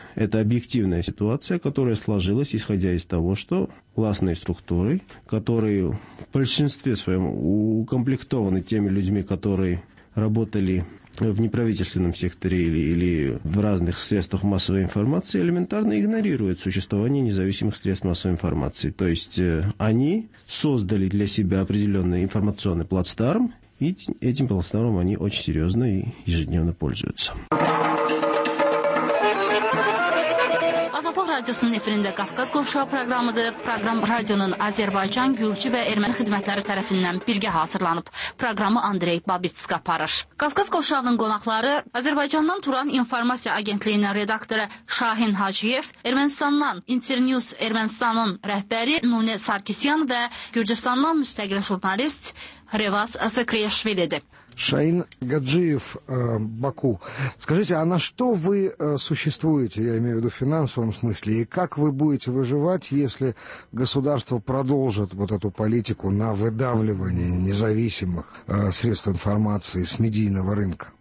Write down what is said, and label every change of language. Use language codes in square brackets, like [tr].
[ru] Это объективная ситуация, которая сложилась, исходя из того, что властные структуры, которые в большинстве своем укомплектованы теми людьми, которые работали в неправительственном секторе или в разных средствах массовой информации, элементарно игнорируют существование независимых средств массовой информации. То есть они создали для себя определенный информационный плацдарм, и этим плацдармом они очень серьезно и ежедневно пользуются. [az] Radiosunun efirində Qafqaz Qovşağı proqramıdır. Proqram radionun Azərbaycan, Gürcü və Erməni xidmətləri tərəfindən birgə hazırlanıb. Proqramı Andrey Babitsk aparır. Qafqaz Qovşağının qonaqları Azərbaycandan Turan İnformasiya Agentliyinin redaktoru Şahin Hacıyev, Ermənistandan Internews Ermənistanın rəhbəri Nune Sarkisyan və Gürcüstandan müstəqil jurnalist Revaz Asakriyashvilidir. [ru] Шаин Гаджиев, Баку. Скажите, а на что вы существуете, я имею в виду в финансовом смысле, и как вы будете выживать, если государство продолжит вот эту политику на выдавливание независимых средств информации с медийного рынка?